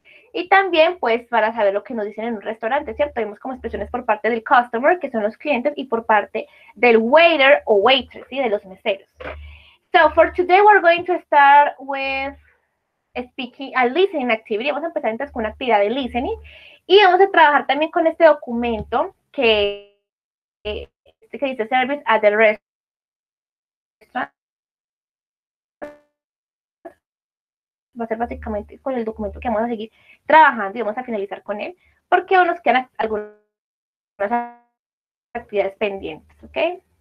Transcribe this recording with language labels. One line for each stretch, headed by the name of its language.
Spanish: Y también, pues, para saber lo que nos dicen en un restaurante, ¿cierto? Vemos como expresiones por parte del customer, que son los clientes, y por parte del waiter o waitress, ¿sí? De los meseros.
English: So, for today, we're going to start with a listening activity.
Spanish: Vamos a empezar entonces con una actividad de listening. Y vamos a trabajar también con este documento que dice
English: service at the restaurant.
Spanish: Va a ser básicamente con el documento que vamos a seguir trabajando y vamos a finalizar con él, porque aún nos quedan algunas actividades pendientes, ¿ok?